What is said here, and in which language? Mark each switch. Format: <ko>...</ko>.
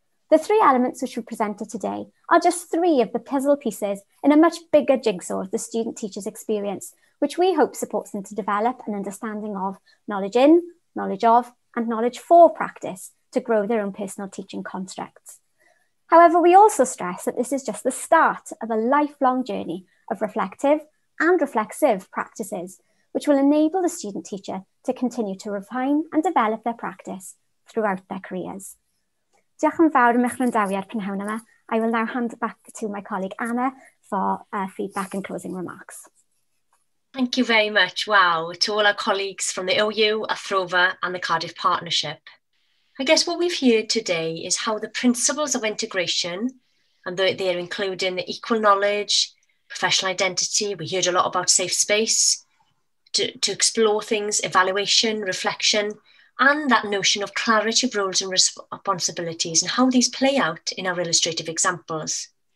<en>The three elements which we presented today are just three of the puzzle pieces in a much bigger jigsaw of the student teacher's experience, which we hope supports them to develop an understanding of knowledge in, knowledge of, and knowledge for practice to grow their own personal teaching constructs. However, we also stress that this is just the start of a lifelong journey of reflective and reflexive practices, which will enable the student teacher to continue to refine and develop their practice throughout their careers.</en> <cy>Diolch yn fawr am eich gwrandawiad prynhawn yma.</cy> <en>I will now hand back to my colleague Anna for feedback and closing remarks. Thank you very much, wow, to all our colleagues from the OU, Athrofa and the Cardiff Partnership. I guess what we've heard today is how the principles of integration, and they're including the equal knowledge, professional identity, we heard a lot about safe space, to explore things, evaluation, reflection, and that notion of clarity of roles and responsibilities and how these play out in our illustrative examples.</en>